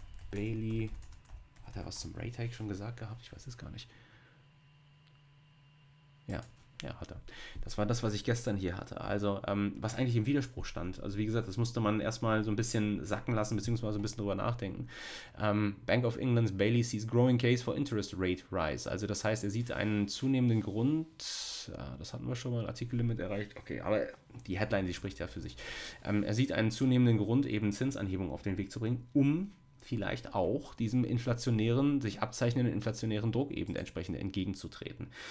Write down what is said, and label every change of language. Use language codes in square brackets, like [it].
[de] Bailey, hat er was zum Rate Hike schon gesagt gehabt? Ich weiß es gar nicht. Ja, hat er. Das war das, was ich gestern hier hatte. Also, was eigentlich im Widerspruch stand. Also, wie gesagt, das musste man erstmal so ein bisschen sacken lassen, beziehungsweise ein bisschen drüber nachdenken. [en] Bank of England's Bailey sees growing case for interest rate rise. [de] Also, das heißt, er sieht einen zunehmenden Grund. Ja, das hatten wir schon mal, Artikellimit erreicht. Okay, aber die Headline, die spricht ja für sich. Er sieht einen zunehmenden Grund, eben Zinsanhebungen auf den Weg zu bringen, um vielleicht auch diesem inflationären, sich abzeichnenden inflationären Druck eben entsprechend entgegenzutreten.